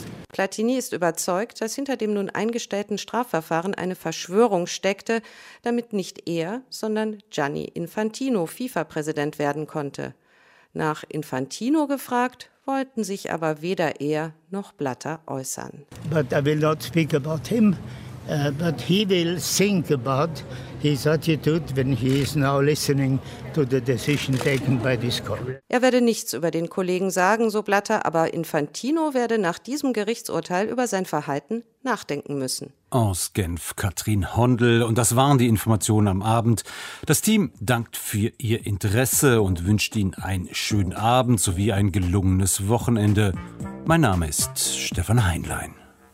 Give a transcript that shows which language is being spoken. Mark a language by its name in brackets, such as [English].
[German] Platini ist überzeugt, dass hinter dem nun eingestellten Strafverfahren eine Verschwörung steckte, damit nicht er, sondern Gianni Infantino FIFA-Präsident werden konnte. nach Infantino gefragt, wollten sich aber weder er noch Blatter äußern. [English] But I will not speak about him, but he will think about his attitude when he is now listening to the decision taken by this court. [German] Er werde nichts über den Kollegen sagen, so Blatter, aber Infantino werde nach diesem Gerichtsurteil über sein Verhalten nachdenken müssen. Aus Genf, Katrin Hondl. Und das waren die Informationen am Abend. Das Team dankt für Ihr Interesse und wünscht Ihnen einen schönen Abend sowie ein gelungenes Wochenende. Mein Name ist Stefan Heinlein.